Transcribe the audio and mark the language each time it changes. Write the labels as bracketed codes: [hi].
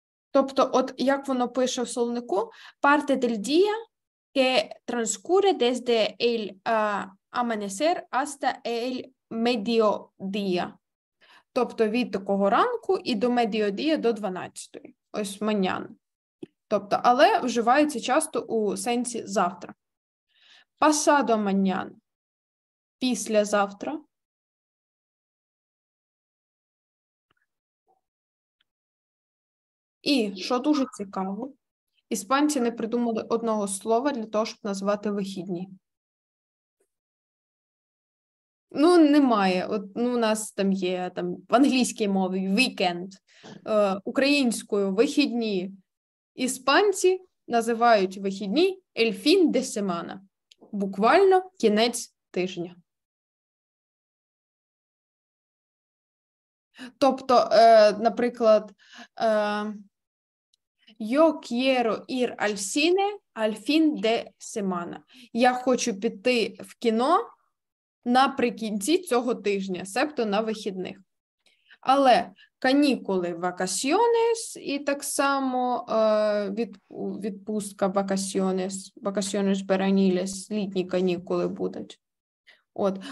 [uk] Тобто, от як воно пише в словнику, [es] parte del día que transcurre desde el amanecer hasta el mediodía. [uk] Тобто від такого ранку і до медіодія до 12-ї. Ось маняна. Тобто, але вживається часто у сенсі завтра. Пасадо маняна. Післязавтра. І, що дуже цікаво, іспанці не придумали одного слова для того, щоб назвати вихідні. Ну, немає. От, ну, у нас там є там, в англійській мові weekend, українською вихідні. Іспанці називають вихідні el fin de semana. Буквально кінець тижня. Тобто, наприклад, [es] yo quiero ir al cine al fin de semana. [uk] Я хочу піти в кіно наприкінці цього тижня, себто на вихідних. Але канікули – vacaciones, і так само відпустка – vacaciones, [es] vacaciones veraniles, [uk] літні канікули будуть. От.